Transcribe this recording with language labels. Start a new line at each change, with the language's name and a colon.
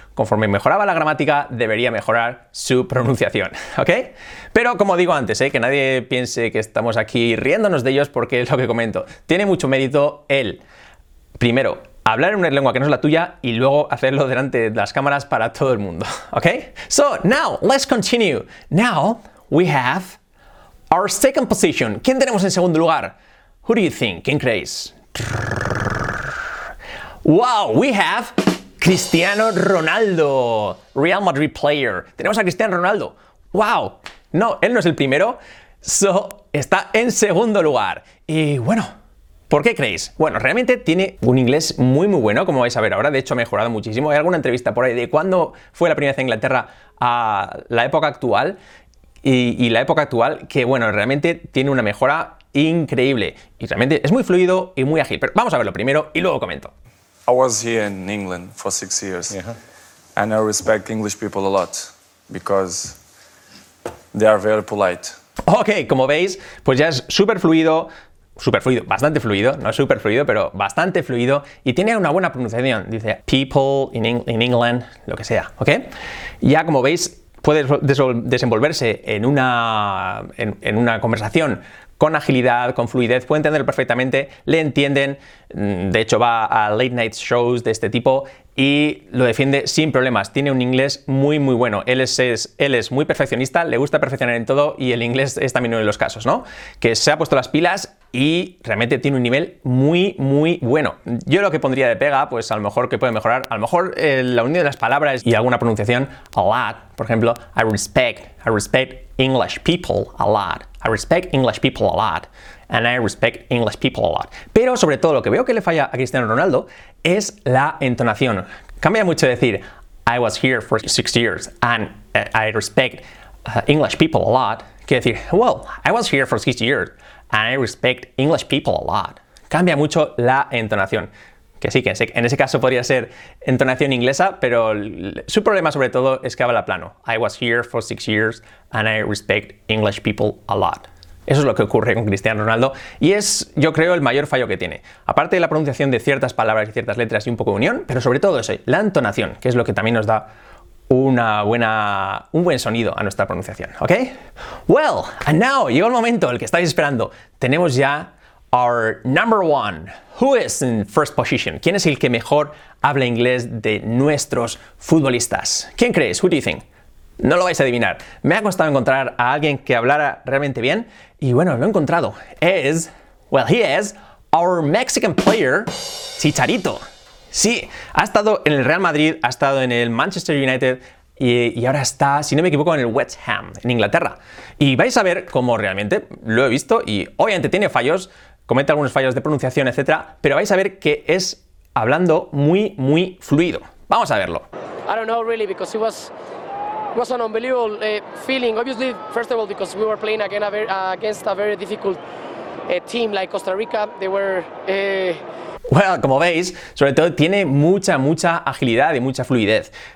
Spanish: Conforme mejoraba la gramática, debería mejorar su pronunciación, ¿ok? Pero como digo antes, que nadie piense que estamos aquí riéndonos de ellos, porque es lo que comento. Tiene mucho mérito él. Primero, hablar en una lengua que no es la tuya y luego hacerlo delante de las cámaras para todo el mundo, ¿ok?
English: So, now, let's continue. Now, we have our second position.
Spanish: ¿Quién tenemos en segundo lugar?
English: Who do you think?
Spanish: ¿Quién creéis?
English: Wow, we have Cristiano Ronaldo, Real Madrid player.
Spanish: Tenemos a Cristiano Ronaldo. Wow, no, él no es el primero. So, está en segundo lugar. Y bueno, ¿por qué creéis? Bueno, realmente tiene un inglés muy muy bueno, como vais a ver ahora. De hecho, ha mejorado muchísimo. Hay alguna entrevista por ahí de cuándo fue la primera vez en Inglaterra a la época actual. Y la época actual, que bueno, realmente tiene una mejora increíble. Y realmente es muy fluido y muy ágil. Pero vamos a verlo primero y luego comento.
English: I was here in England for 6 years. Yeah. And I respect English people a lot because they are very polite.
Spanish: Ok, como veis, pues ya es súper fluido. Súper fluido, bastante fluido, no súper fluido, pero bastante fluido. Y tiene una buena pronunciación, dice
English: people in England,
Spanish: lo que sea, ¿ok? Ya como veis, puede desenvolverse en una conversación con agilidad, con fluidez, puede entender perfectamente, le entienden. De hecho, va a late night shows de este tipo y lo defiende sin problemas. Tiene un inglés muy, muy bueno. Él es muy perfeccionista, le gusta perfeccionar en todo y el inglés es también uno de los casos, ¿no? Que se ha puesto las pilas y realmente tiene un nivel muy, muy bueno. Yo lo que pondría de pega, pues a lo mejor que puede mejorar, a lo mejor la unión de las palabras y alguna pronunciación,
English: a lot.
Spanish: Por ejemplo,
English: I respect English people a lot. I respect English people a lot. And I respect English people a lot.
Spanish: Pero sobre todo lo que veo que le falla a Cristiano Ronaldo es la entonación. Cambia mucho decir
English: I was here for 6 years and I respect English people a lot.
Spanish: Quiere decir,
English: well, I was here for 6 years and I respect English people a lot.
Spanish: Cambia mucho la entonación. Que sí, que en ese caso podría ser entonación inglesa, pero su problema sobre todo es que habla plano.
English: I was here for 6 years and I respect English people a lot.
Spanish: Eso es lo que ocurre con Cristiano Ronaldo y es, yo creo, el mayor fallo que tiene. Aparte de la pronunciación de ciertas palabras y ciertas letras y un poco de unión, pero sobre todo eso, la entonación, que es lo que también nos da un buen sonido a nuestra pronunciación, ¿ok?
English: Well, and now,
Spanish: llegó el momento, el que estáis esperando. Tenemos ya
English: our number one. Who is in first position?
Spanish: ¿Quién es el que mejor habla inglés de nuestros futbolistas? ¿Quién crees?
English: Who do you think?
Spanish: No lo vais a adivinar. Me ha costado encontrar a alguien que hablara realmente bien y bueno, lo he encontrado.
English: He is our Mexican player, Chicharito.
Spanish: Sí, ha estado en el Real Madrid, ha estado en el Manchester United y ahora está, si no me equivoco, en el West Ham, en Inglaterra. Y vais a ver cómo realmente lo he visto y obviamente tiene fallos, comete algunos fallos de pronunciación, etcétera, pero vais a ver que es hablando muy, muy fluido. Vamos a verlo.
English: I don't know really because it was an unbelievable feeling. Obviously, first of all, because we were playing against a very difficult team like Costa Rica, they were.
Spanish: Well, como veis, sobre todo tiene mucha, mucha agilidad y mucha fluidez.